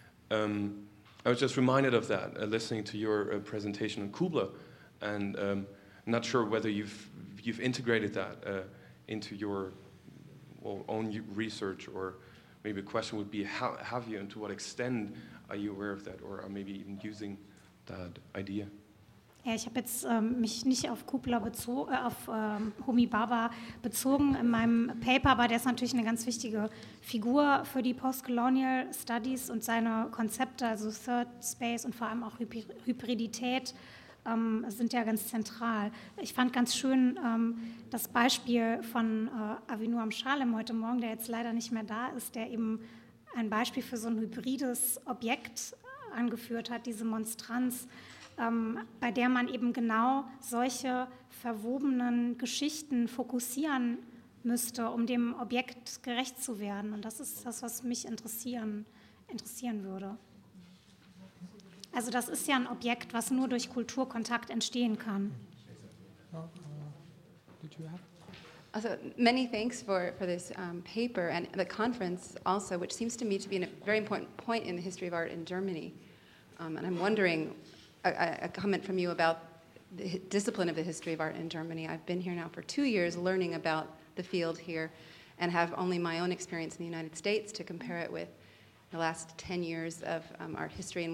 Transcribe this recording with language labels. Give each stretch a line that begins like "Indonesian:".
English: I was just reminded of that, listening to your presentation on Kubla, and not sure whether you've integrated that into your own research, or maybe a question would be, how have you, and to what extent are you aware of that, or are maybe even using that idea?
German: Ja, ich habe jetzt mich nicht auf Kubler bezogen, auf Homi Bhabha bezogen in meinem Paper, aber der ist natürlich eine ganz wichtige Figur für die Postcolonial Studies und seine Konzepte, also Third Space und vor allem auch Hybridität sind ja ganz zentral. Ich fand ganz schön das Beispiel von Avinuam Shalem heute Morgen, der jetzt leider nicht mehr da ist, der eben ein Beispiel für so ein hybrides Objekt angeführt hat, diese Monstranz, bei der man eben genau solche verwobenen Geschichten fokussieren müsste, um dem Objekt gerecht zu werden. Und das ist das, was mich interessieren würde. Also das ist ja ein Objekt, was nur durch Kulturkontakt entstehen kann.
English: Also many thanks for this paper and the conference also, which seems to me to be a very important point in the history of art in Germany. And I'm wondering, a comment from you about the discipline of the history of art in Germany. I've been here now for 2 years learning about the field here and have only my own experience in the United States to compare it with the last 10 years of art history.